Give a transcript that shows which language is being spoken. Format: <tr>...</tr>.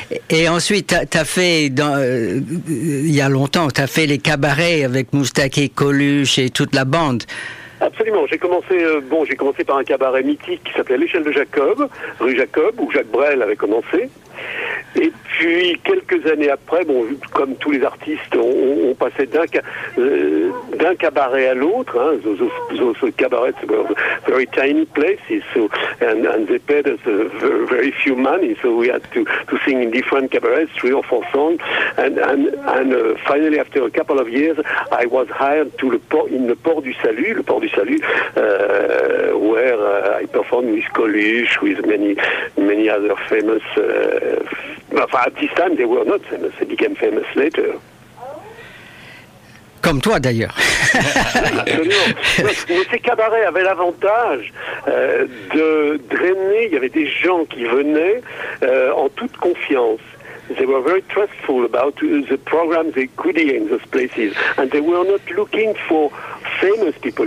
<fr>Et ensuite, t'as fait, il y a longtemps, t'as fait les cabarets avec Moustaki, Coluche et toute la bande. Absolument. J'ai commencé par un cabaret mythique qui s'appelait l'Échelle de Jacob, rue Jacob, où Jacques Brel avait commencé. Et puis, quelques années après, bon, comme tous les artistes, on passait d'un cabaret à l'autre, hein,</fr> <en>those cabarets were very tiny places, so, and they paid us very few money, so we had to sing in different cabarets, three or four songs, and finally, after a couple of years, I was hired to the Port du Salut, where I performed with Coluche, with many other famous enfin, at this time, they were not famous. They became famous later.</en> <fr>Comme toi, d'ailleurs. Mais ces cabarets avaient l'avantage de drainer. Il y avait des gens qui venaient en toute confiance.</fr> <en>They were very trustful about the programs they could hear in those places. And they were not looking for famous people.</en>